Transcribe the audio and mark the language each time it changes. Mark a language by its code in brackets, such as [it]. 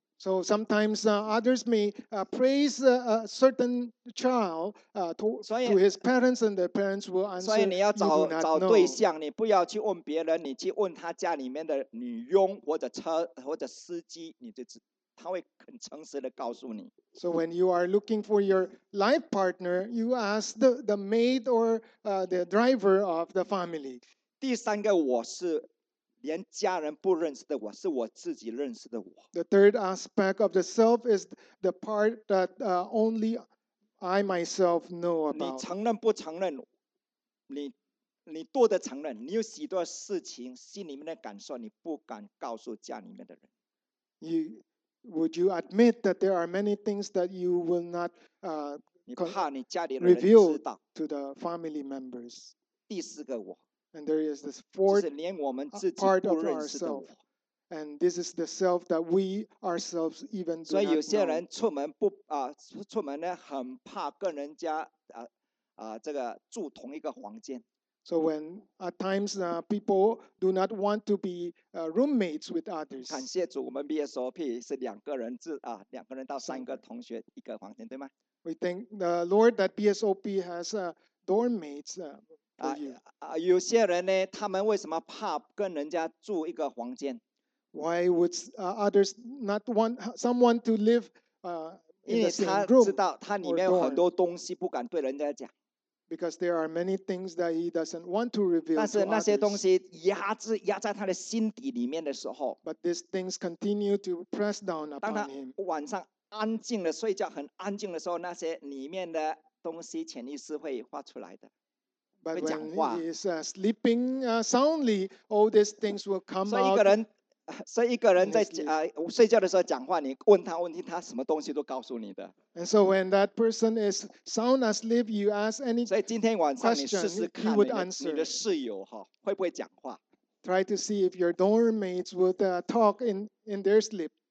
[en] So sometimes others may praise a certain child to his parents, and the parents will answer, "You do not know." [zh] 找对象，你不要去问别人，你去问他家里面的女佣或者司机，他会很诚实的告诉你。 [en] So when you are looking for your life partner, you ask the maid or the driver of the family. [zh] 第三个我是。连家人不认识的我，是我自己认识的我。 [en] The third aspect of the self is the part that only I myself know about. [zh] 你承认不承认？你多的承认，你有许多事情心里面的感受，你不敢告诉家里面的人。 [en] Would you admit that there are many things that you will not reveal to the family members? [zh] 第四个我。 [en] And there is this fourth part of ourselves. And this is the self that we ourselves even do not know. So some people are afraid to go out and live in the same room. So when at times people do not want to be roommates with others. Thank you, our BSOP is two to three students in a room. We thank the Lord that BSOP has dormmates. [zh] 有些人呢，他们为什么怕跟人家住一个房间 [en] ？Why would others not want someone to live in the same room? [zh] 因为他知道他里面有很多东西不敢对人家讲。 [en] Because there are many things that he doesn't want to reveal. [zh] 但是那些东西压在他的心底里面的时候, [en] but these things continue to press down upon him. [zh] 当他晚上安静的睡觉很安静的时候, 那些里面的东西潜意识会发出来的。 [en] But when he is sleeping soundly, all these things will come out. [zh] 所以一个人在睡觉的时候讲话，你问他问题，他什么东西都告诉你的。 [en] And so when that person is sound asleep, you ask any question, he would answer. [zh] 你的室友会不会讲话？ [en] Try to see if your dorm mates would talk in their sleep.